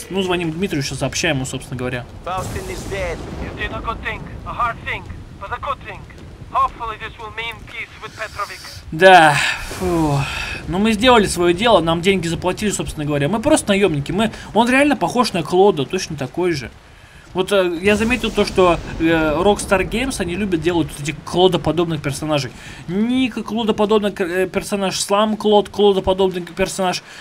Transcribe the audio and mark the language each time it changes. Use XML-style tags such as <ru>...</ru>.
<ru>Ну, звоним Дмитрию, сейчас сообщаем ему, собственно говоря.</ru> <en>Фаустин is dead. You did a good thing. A hard thing. But a good thing. Hopefully this will mean peace with Petrovic.</en> <ru>Да. Фу. Ну, мы сделали свое дело, нам деньги заплатили, собственно говоря. Мы просто наемники. Он реально похож на Клода, точно такой же. Вот я заметил то, что Rockstar Games, они любят делать вот этих клодоподобных персонажей. Ника клодоподобный персонаж, Слам Клод клодоподобный персонаж.</ru>